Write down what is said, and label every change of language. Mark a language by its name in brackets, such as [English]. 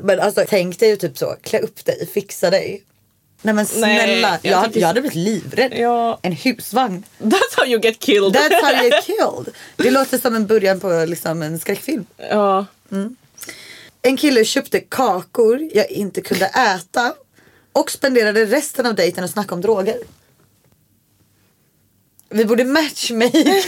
[Swedish] Men alltså, tänk dig typ så. Klä upp dig. Fixa dig. Nej men snälla. Nej, jag hade blivit livrädd. Ja. En husvagn. [English] That's how you get killed. That's how you get killed. [Swedish] Det låter som en början på liksom en skräckfilm. Ja. Mm. En kille köpte kakor jag inte kunde äta. Och spenderade resten av dejten och snacka om droger. Vi borde matchmaka.